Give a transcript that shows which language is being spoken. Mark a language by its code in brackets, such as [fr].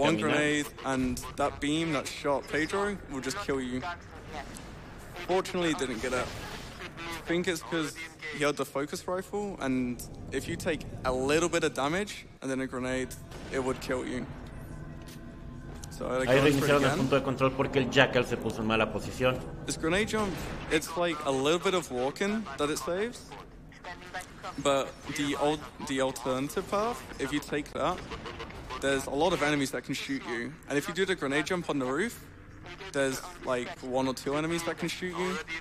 [en] One grenade and that beam that shot Pedro will just kill you. Fortunately, he didn't get it. I think it's because he had the focus rifle, and if you take a little bit of damage and then a grenade, it would kill you. So I had to go for it again. [es] Punto de control porque el Jackal se puso en mala posición. [en] This grenade jump, it's like a little bit of walking that it saves, but the alternative path, if you take that, there's a lot of enemies that can shoot you, and if you do the grenade jump on the roof, there's like one or two enemies that can shoot you.